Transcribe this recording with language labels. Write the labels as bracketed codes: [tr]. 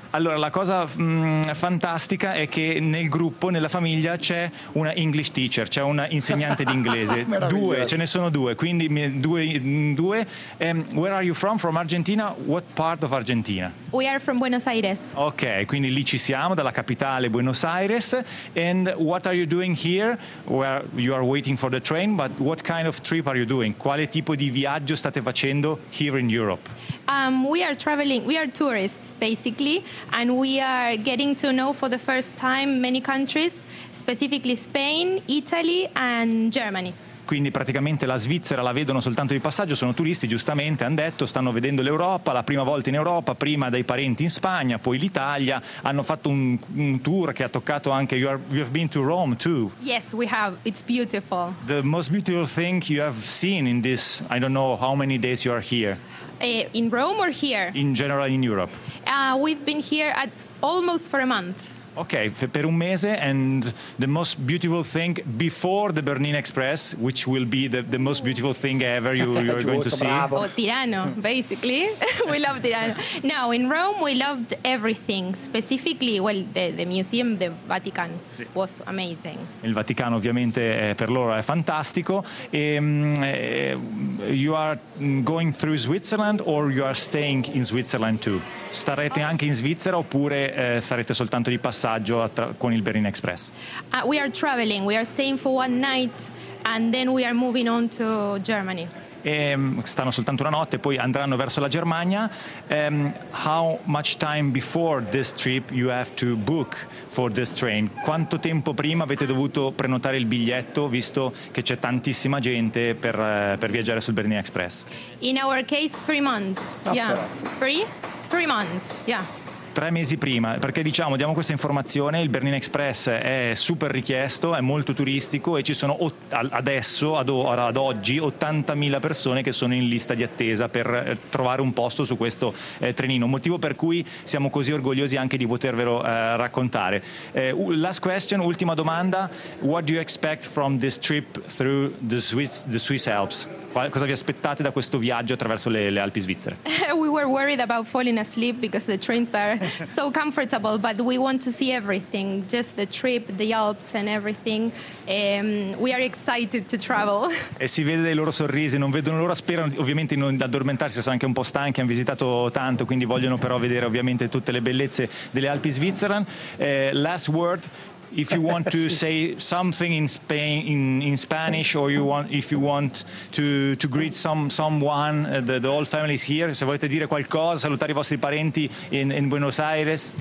[it] Allora, la cosa fantastica è che nel gruppo, nella famiglia, c'è una [en] English teacher, [it] c'è una insegnante di inglese. Due, ce ne sono due, quindi due. [en] Where are you from? From Argentina? What part of Argentina? We are from Buenos Aires. [it] Ok, quindi lì ci siamo, dalla capitale Buenos Aires. [en] And what are you doing here? Well, you are waiting for the train, but what kind of trip are you doing? [it] Quale tipo di viaggio state facendo [en] here in Europe? We are traveling, we are tourists, basically. And we are getting to know for the first time many countries, specifically Spain, Italy and Germany. [it] Quindi praticamente la Svizzera la vedono soltanto di passaggio, sono turisti, giustamente, hanno detto, stanno vedendo l'Europa, la prima volta in Europa, prima dai parenti in Spagna, poi l'Italia, hanno fatto un tour che ha toccato anche... [en] You have been to Rome too? Yes, we have, it's beautiful. The most beautiful thing you have seen in this, I don't know how many days you are here. In Rome or here? In general in Europe. We've been here at almost for a month. [it] Okay, per un mese. [en] And the most beautiful thing before the Bernina Express, which will be the most beautiful thing ever you're going to see. Oh, Tirano, basically. We love Tirano. No, in Rome we loved everything. Specifically, well, the museum, the Vatican, sì, was amazing. [it] Il Vaticano ovviamente per loro è fantastico. [en] You are going through Switzerland or you are staying in Switzerland too? [it] Starete anche in Svizzera oppure sarete soltanto di passaggio con il Bernina Express? [en] We are traveling, we are staying for one night and then we are moving on to Germany. [it] Stanno soltanto una notte, poi andranno verso la Germania. [en] How much time before this trip you have to book for this train? [it] Quanto tempo prima avete dovuto prenotare il biglietto, visto che c'è tantissima gente per viaggiare sul Bernina Express? [en] In our case, 3 months. Yeah. Three? 3 months, yeah. [it] 3 mesi prima, perché diciamo, diamo questa informazione, il Bernina Express è super richiesto, è molto turistico e ci sono ad oggi 80.000 persone che sono in lista di attesa per trovare un posto su questo trenino, motivo per cui siamo così orgogliosi anche di potervelo raccontare. [en] Last question, [it] ultima domanda: [en] what do you expect from this trip through the Swiss Alps? [it] cosa vi aspettate da questo viaggio attraverso le Alpi svizzere? [en] We were worried about falling asleep because the trains are so comfortable, but we want to see everything, just the trip, the Alps and everything. We are excited to travel. [it] E si vede dai loro sorrisi, non vedono l'ora, sperano ovviamente non addormentarsi, sono anche un po' stanchi, hanno visitato tanto, quindi vogliono però vedere ovviamente tutte le bellezze delle Alpi svizzere. [en] Last word. If you want to say something in Spain, in Spanish, or you want, if you want to greet someone, the whole family is here. [it] Se volete dire qualcosa, salutare i vostri parenti in Buenos Aires.